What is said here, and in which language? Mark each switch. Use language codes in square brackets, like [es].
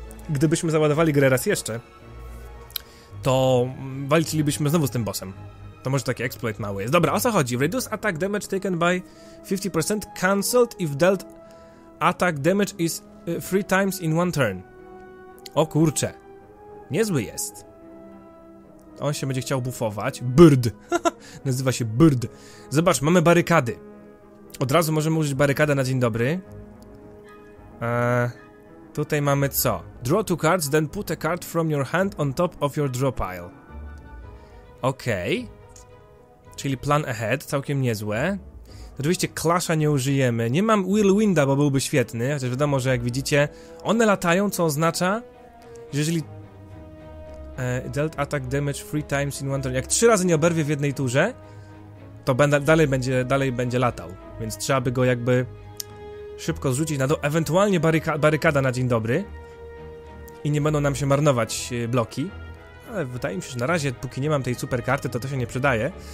[pl] gdybyśmy załadowali grę raz jeszcze, to walczylibyśmy znowu z tym bossem. To może taki exploit mały jest. Dobra, o co chodzi? [en] Reduce attack damage taken by 50%, cancelled if dealt attack damage is 3 times in one turn. [pl] O kurcze. Niezły jest. On się będzie chciał buffować. Bird. Nazywa się Bird. Zobacz, mamy barykady. Od razu możemy użyć barykady na dzień dobry. Tutaj mamy co? [en] Draw two cards, then put a card from your hand on top of your draw pile. [pl] Okej. Czyli plan ahead, całkiem niezłe. Oczywiście Clasha nie użyjemy. Nie mam Whirlwinda, bo byłby świetny. Chociaż wiadomo, że jak widzicie, one latają, co oznacza, że jeżeli... [en] dealt attack damage 3 times in one turn. [pl] Jak 3 razy nie oberwie w jednej turze, to dalej będzie latał. Więc trzeba by go jakby... szybko zrzucić na dół, ewentualnie barykada na dzień dobry i nie będą nam się marnować bloki, ale wydaje mi się, że na razie póki nie mam tej super karty, to się nie przydaje.